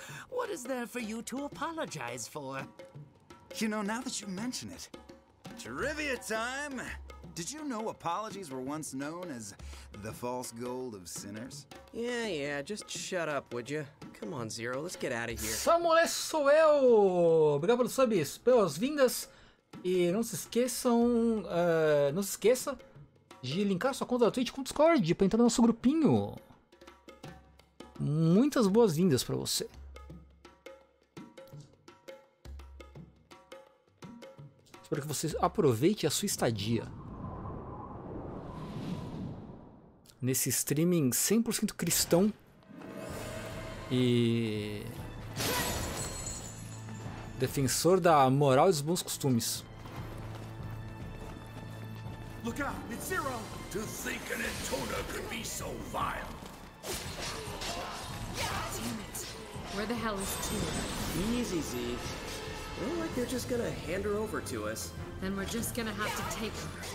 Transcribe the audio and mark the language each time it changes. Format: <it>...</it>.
<en>What is there for you to apologize for? You know, now that you mention it, trivia time! Did you know apologies were once known as the false gold of sinners? Yeah, yeah, just shut up, would you? Come on, Zero, let's get out of here.</en> <pt>Samuel, sou eu! Obrigado pelo sub, boas-vindas! E não se esqueçam, não se esqueça de linkar sua conta da Twitch com o Discord pra entrar no nosso grupinho. Muitas boas-vindas pra você. Espero que você aproveite a sua estadia nesse streaming 100% cristão e defensor da moral e dos bons costumes.</pt> <en>Look out, it's Zero. To think an intruder could be so vile. Where the hell is Tina? Easy, Z. Well, like they're just gonna hand her over to us. Then we're just gonna have to take her.</en>